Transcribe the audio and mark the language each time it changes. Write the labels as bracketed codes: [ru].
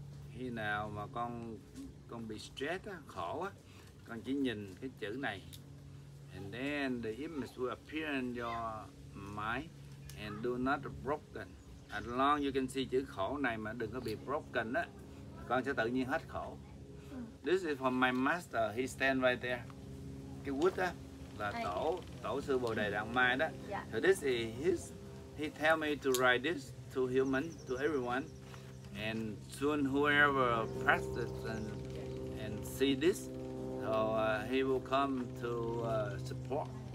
[vi] Khi nào mà con bị stress á, khổ á, con chỉ nhìn cái chữ này. [en] And then the image will appear in your mind. And do not broken. As long you can see [vi] chữ khổ này mà đừng có bị broken á, con sẽ tự nhiên hết khổ. [en] This is from my master. He stand right there. [vi] Cái wood á là tổ sư Bồ Đề Đạt Mai đó. [en] Yeah. So this is his. He tell me to write this to human, to everyone. And soon whoever practice and see this, so he will come to support.